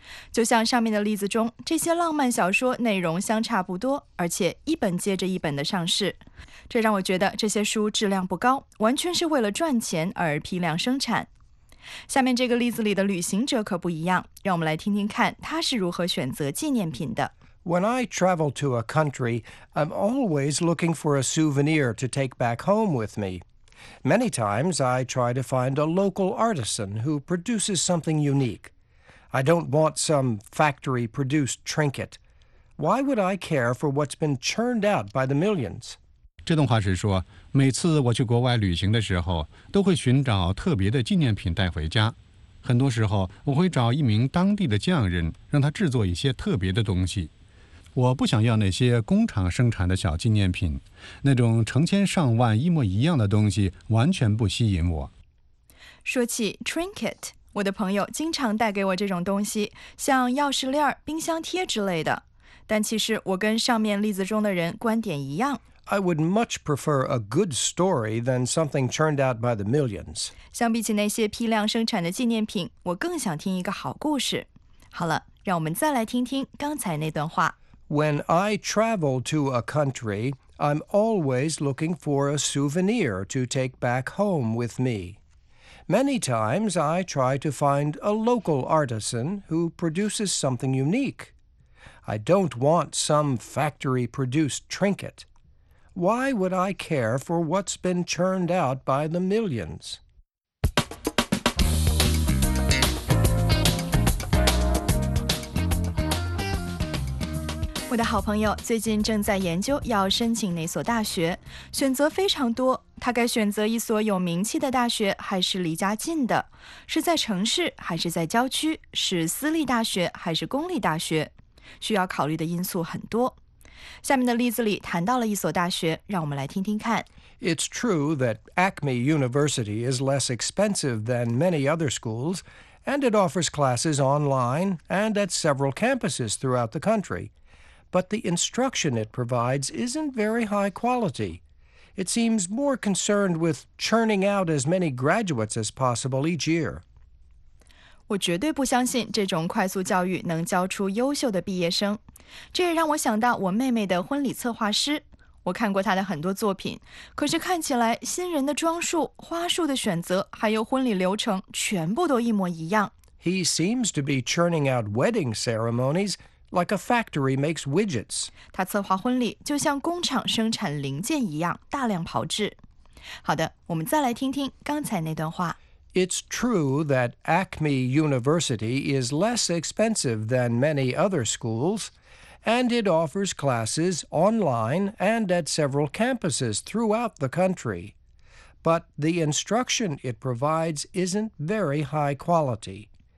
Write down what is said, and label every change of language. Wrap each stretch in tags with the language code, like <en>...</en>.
<zh>就像上面的例子中，这些浪漫小说内容相差不多，而且一本接着一本的上市。这让我觉得这些书质量不高，完全是为了赚钱而批量生产。下面这个例子里的旅行者可不一样，让我们来听听看他是如何选择纪念品的。</zh> <en>When I travel to a country, I'm always looking for a souvenir to take back home with me. Many times I try to find a local artisan who produces something unique. I don't want some factory-produced trinket. Why would I care for what's been churned out by the millions?</en> <zh>这段话是说，每次我去国外旅行的时候，都会寻找特别的纪念品带回家。很多时候，我会找一名当地的匠人，让他制作一些特别的东西。我不想要那些工厂生产的小纪念品，那种成千上万一模一样的东西完全不吸引我。说起 trinket... 我的朋友经常带给我这种东西，像钥匙链、冰箱贴之类的。但其实我跟上面例子中的人观点一样。</zh> <en>I would much prefer a good story than something churned out by the millions.</en> <zh>相比起那些批量生产的纪念品，我更想听一个好故事。好了，让我们再来听听刚才那段话。</zh> <en>When I travel to a country, I'm always looking for a souvenir to take back home with me. Many times I try to find a local artisan who produces something unique. I don't want some factory-produced trinket. Why would I care for what's been churned out by the millions?</en> <zh>My 的好朋友最近正在研究要申请哪所大学，选择非常多。他该选择一所有名气的大学还是离家近的，是在城市还是在郊区，是私立大学还是公立大学，需要考虑的因素很多。下面的例子里谈到了一所大学，让我们来听听看。</zh> <en>It's true that Acme University is less expensive than many other schools, and it offers classes online and at several campuses throughout the country. But the instruction it provides isn't very high quality. It seems more concerned with churning out as many graduates as possible each year.</en> <zh>我绝对不相信这种快速教育能教出优秀的毕业生。这也让我想到我妹妹的婚礼策划师。我看过她的很多作品，可是看起来新人的装束、花束的选择还有婚礼流程全部都一模一样。</zh> <en>He seems to be churning out wedding ceremonies like a factory makes widgets.</en> <zh>他策划婚礼就像工厂生产零件一样大量炮制。好的，我们再来听听刚才那段话。</zh> <en>It's true that Acme University is less expensive than many other schools, and it offers classes online and at several campuses throughout the country. But the instruction it provides isn't very high quality.</en>